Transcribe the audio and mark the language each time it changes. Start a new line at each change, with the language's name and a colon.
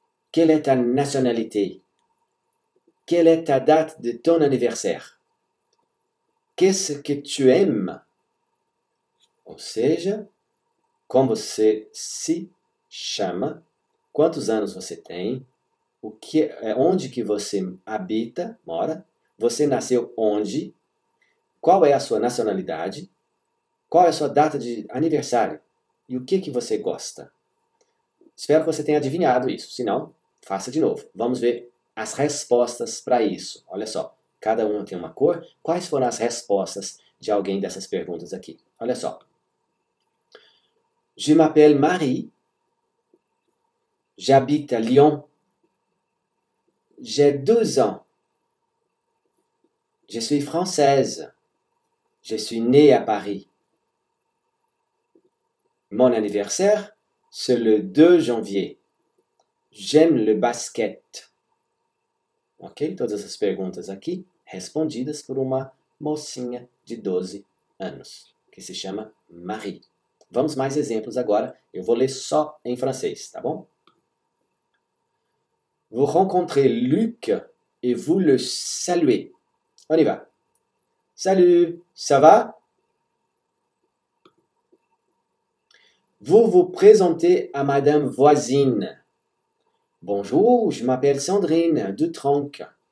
French: Quelle est ta nationalité? Quelle est ta date de ton anniversaire? Qu'est-ce que tu aimes?
Portuguese: Ou seja, como você se chama? Quantos anos você tem? Onde que você habita, mora? Você nasceu onde? Qual é a sua nacionalidade? Qual é a sua data de aniversário? E o que que você gosta? Espero que você tenha adivinhado isso. Se não, faça de novo. Vamos ver as respostas para isso. Olha só, cada uma tem uma cor. Quais foram as respostas de alguém dessas perguntas aqui? Olha só.
French: Je m'appelle Marie. J'habite à Lyon. J'ai 12 ans. Je suis française. Je suis née à Paris. Mon anniversaire, c'est le 2 janvier. J'aime le basket. Ok?
Portuguese: Todas as perguntas aqui respondidas por uma mocinha de 12 anos, que se chama Marie. Vamos mais exemplos agora. Eu vou ler só em francês, tá bom?
French: Vous rencontrez Luc et vous le saluez. On y va. Salut, ça va? Vous vous présentez à madame voisine. Bonjour, je m'appelle Sandrine de Tronc.